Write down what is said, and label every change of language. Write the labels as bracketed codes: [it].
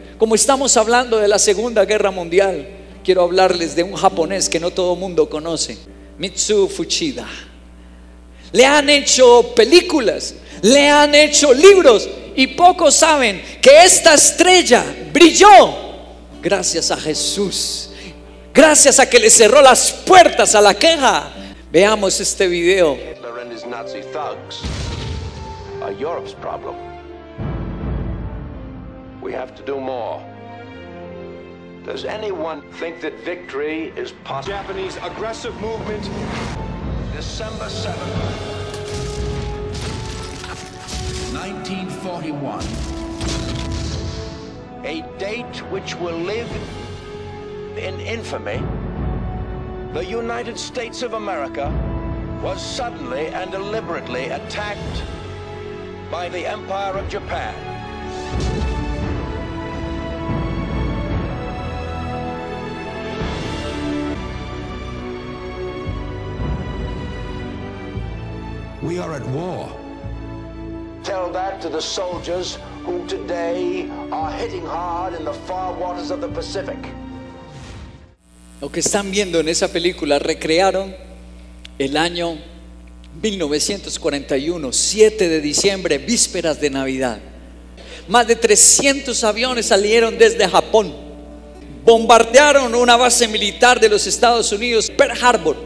[es] Como estamos hablando de la Segunda Guerra Mundial, quiero hablarles de un japonés que no todo mundo conoce, Mitsu Fuchida. Le han hecho películas, le han hecho libros, y pocos saben que esta estrella brilló gracias a Jesús, gracias a que le cerró las puertas a la queja. Veamos este video. [en] Hitler and his Nazi thugs are Europe's problem. We have to do more. Does anyone think that victory is possible? Japanese aggressive movement. December 7th. 1941. A date which will live in infamy. The United States of America was suddenly and deliberately attacked by the Empire of Japan. We are at war. Tell that to the soldiers who today are hitting hard in the far waters of the Pacific. [es] Lo que están viendo en esa película, recrearon el año 1941, 7 de diciembre, vísperas de Navidad. Más de 300 aviones salieron desde Japón. Bombardearon una base militar de los Estados Unidos, Pearl Harbor.